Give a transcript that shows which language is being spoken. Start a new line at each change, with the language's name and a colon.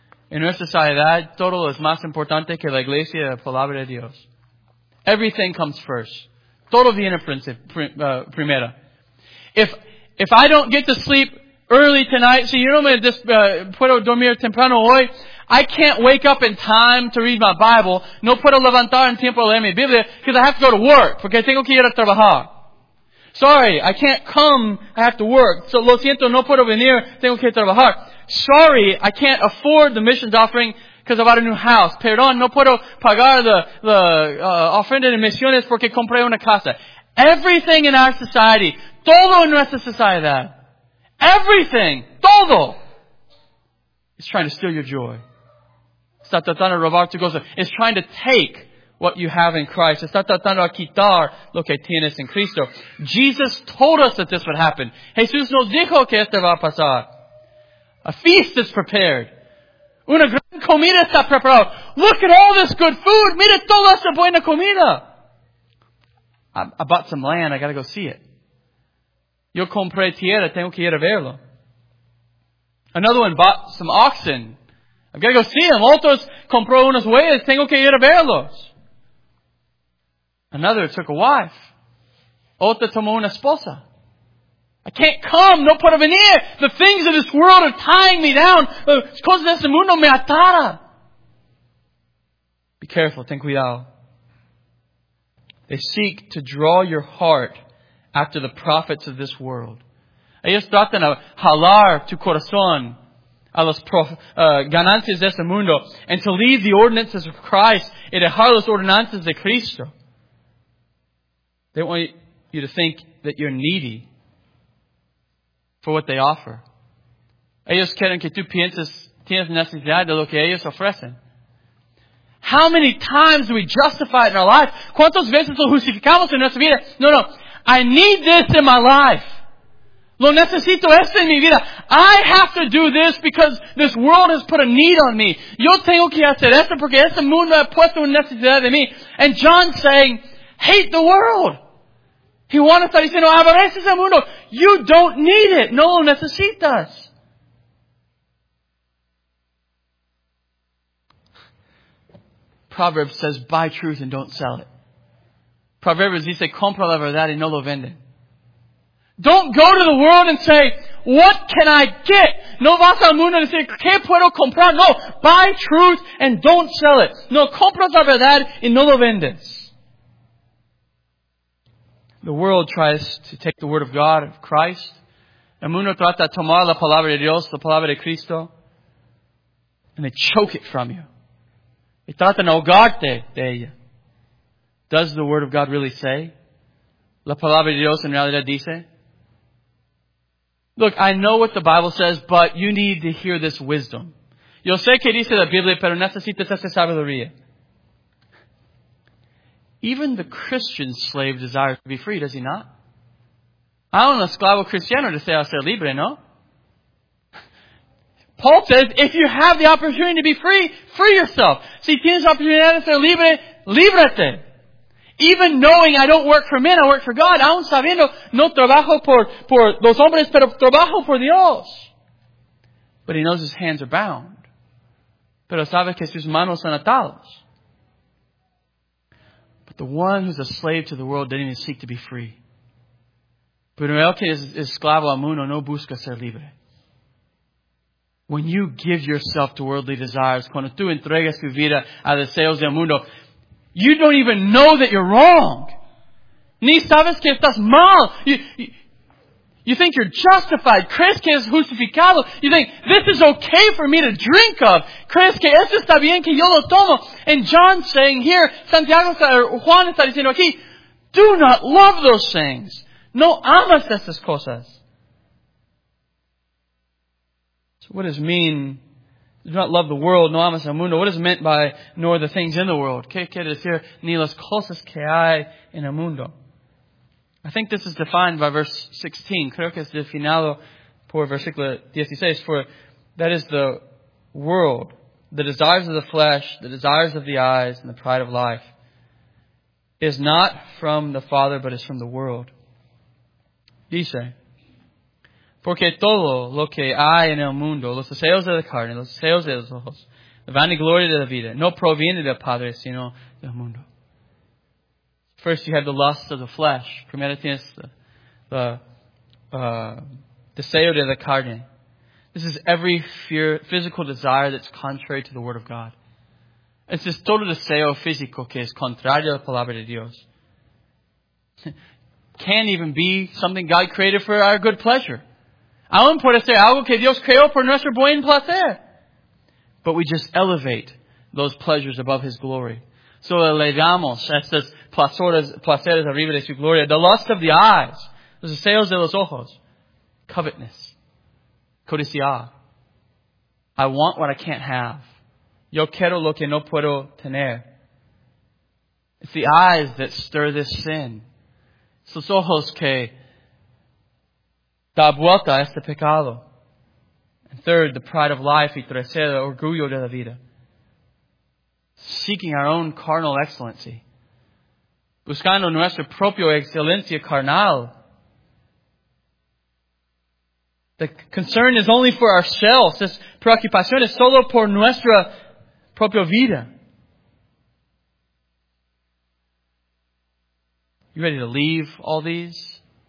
English: In our society,
Spanish: todo es más importante que la iglesia y la palabra de Dios.
English: Everything comes first.
Spanish: Todo viene primero.
English: If I don't get to sleep early tonight,
Spanish: si yo no me puedo dormir temprano hoy,
English: I can't wake up in time to read my Bible.
Spanish: No puedo levantar en tiempo a leer mi Biblia
English: because I have to go to work
Spanish: porque tengo que ir a trabajar.
English: Sorry, I can't come. I have to work. So,
Spanish: lo siento, no puedo venir. Tengo que trabajar.
English: Sorry, I can't afford the missions offering because I bought a new house.
Spanish: Perdón, no puedo pagar the ofrenda de misiones porque compré una casa.
English: Everything in our society,
Spanish: todo en nuestra sociedad,
English: everything, todo, is trying to steal your joy.
Spanish: Está tratando de robar tu gozo.
English: It's trying to take what you have in Christ.
Spanish: Está tratando de quitar lo que tienes en Cristo.
English: Jesus told us that this would happen.
Spanish: Jesús nos dijo que esto va a pasar.
English: A feast is prepared.
Spanish: Una gran comida está preparada.
English: Look at all this good food.
Spanish: Mira toda esa buena comida.
English: I bought some land. I got to go see it.
Spanish: Yo compré tierra. Tengo que ir a verlo.
English: Another one bought some oxen. I've got to go see them.
Spanish: Otros compró unos bueyes. Tengo que ir a verlos.
English: Another took a wife.
Spanish: Otra tomó una esposa.
English: I can't come.
Spanish: No puedo venir.
English: The things of this world are tying me down.
Spanish: Las cosas de este mundo me atara.
English: Be careful.
Spanish: Ten cuidado.
English: They seek to draw your heart after the prophets of this world.
Spanish: Ellos tratan de jalar tu corazón a las ganancias de este mundo
English: and to leave the ordinances of Christ
Spanish: y dejar las ordenanzas de Cristo.
English: They want you to think that you're needy for what they offer.
Spanish: Ellos quieren que tú pienses tienes necesidad de lo que ellos ofrecen.
English: How many times do we justify it in our life?
Spanish: ¿Cuántas veces lo justificamos en nuestra vida? No, no.
English: I need this in my life.
Spanish: Lo necesito esto en mi vida.
English: I have to do this because this world has put a need on me.
Spanish: Yo tengo que hacer esto porque este mundo ha puesto una necesidad en mí.
English: And John saying, hate the world. He wanted to say, no,
Spanish: aborrece ese mundo.
English: You don't need it.
Spanish: No lo necesitas.
English: Proverbs says, buy truth and don't sell it.
Spanish: Proverbs dice, compra la verdad y no lo vende.
English: Don't go to the world and say, what can I get?
Spanish: No vas al mundo y dice, ¿qué puedo comprar?
English: No, buy truth and don't sell it.
Spanish: No, compra la verdad y no lo vendes.
English: The world tries to take the word of God, of Christ.
Spanish: El mundo trata de tomar la palabra de Dios, la palabra de Cristo.
English: And they choke it from you.
Spanish: Y trata de ahogarte de ella.
English: Does the word of God really say?
Spanish: La palabra de Dios en realidad dice?
English: Look, I know what the Bible says, but you need to hear this wisdom.
Spanish: Yo sé que dice la Biblia, pero necesitas esta sabiduría.
English: Even the Christian slave desires to be free, does he not? I don't
Spanish: esclavo cristiano
English: to say I ser libre, no? Paul says, if you have the opportunity to be free, free yourself.
Spanish: Si tienes la oportunidad de ser libre, líbrate.
English: Even knowing I don't work for men, I work for God.
Spanish: Aún sabiendo, no trabajo por los hombres, pero trabajo por Dios.
English: But he knows his hands are bound.
Spanish: Pero sabe que sus manos son atadas.
English: But the one who's a slave to the world didn't even seek to be free.
Spanish: Pero el que es esclavo al mundo no busca ser libre.
English: When you give yourself to worldly desires,
Spanish: cuando tú entregas tu vida a deseos del mundo,
English: You don't even know that you're wrong.
Spanish: Ni sabes que estás mal.
English: You think you're justified.
Spanish: Crees que es justificado.
English: You think, this is okay for me to drink of.
Spanish: Crees que esto está bien que yo lo tomo.
English: And John's saying here, Santiago, or
Spanish: Juan está diciendo aquí,
English: do not love those things.
Spanish: No amas esas cosas.
English: So what does mean, do not love the world,
Spanish: no amas el mundo?
English: What is meant by nor the things in the world?
Spanish: ¿Qué quiere decir ni las cosas que hay en el mundo?
English: I think this is defined by verse 16.
Spanish: Creo que es definido por versículo 16.
English: For that is the world, the desires of the flesh, the desires of the eyes, and the pride of life is not from the Father, but is from the world.
Spanish: Dice, porque todo lo que hay en el mundo, los deseos de la carne, los deseos de los ojos, la vanagloria de la vida, no proviene del Padre, sino del mundo.
English: First, you have the lust of the flesh.
Spanish: Primero tienes the deseo de la carne.
English: This is every fear, physical desire that's contrary to the Word of God. It's just
Spanish: todo deseo físico que es contrario a la palabra de Dios.
English: Can't even be something God created for our good pleasure.
Spanish: Aún puede ser algo que Dios creó por nuestro buen placer.
English: But we just elevate those pleasures above His glory.
Spanish: So elevamos estos placeres arriba de su gloria.
English: The lust of the eyes,
Spanish: los deseos de los ojos,
English: covetousness, codicia. I want what I can't have.
Spanish: Yo quiero lo que no puedo tener.
English: It's the eyes that stir this sin.
Spanish: It's los ojos que da vuelta a este pecado.
English: And third, the pride of life,
Spanish: y tercero, orgullo de la vida.
English: Seeking our own carnal excellency.
Spanish: Buscando nuestra propia excelencia carnal.
English: The concern is only for ourselves.
Spanish: This preocupación es solo por nuestra propia vida.
English: You ready to leave all these?